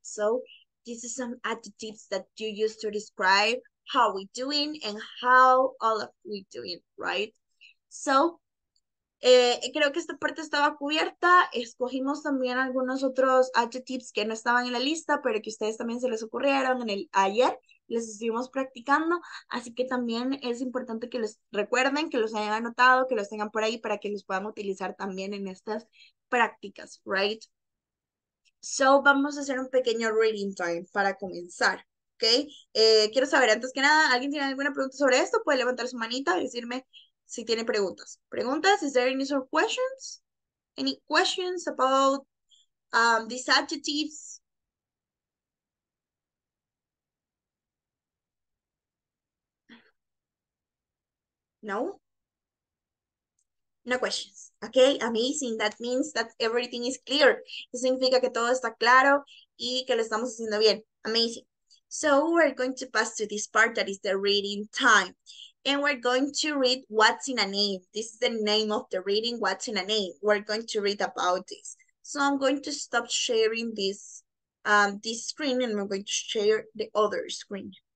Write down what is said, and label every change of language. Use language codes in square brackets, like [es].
[en] So this is some adjectives that you use to describe how we doing and how all of we doing, right? [es] So creo que esta parte estaba cubierta. Escogimos también algunos otros adjectives que no estaban en la lista, pero que ustedes también se les ocurrieron en el ayer. Les estuvimos practicando, así que también es importante que los recuerden, que los hayan anotado, que los tengan por ahí para que los puedan utilizar también en estas prácticas, right? So, vamos a hacer un pequeño reading time para comenzar, ¿ok? Quiero saber, antes que nada, ¿alguien tiene alguna pregunta sobre esto? Puede levantar su manita y decirme si tiene preguntas. ¿Preguntas? [en] Is there any sort of questions? Any questions about these adjectives? No? No questions. Okay, amazing. That means that everything is clear. [es] Eso significa que todo está claro y que lo estamos haciendo bien. [en] Amazing. So we're going to pass to this part that is the reading time. And we're going to read what's in a name. This is the name of the reading, what's in a name. We're going to read about this. So I'm going to stop sharing this this screen and I'm going to share the other screen.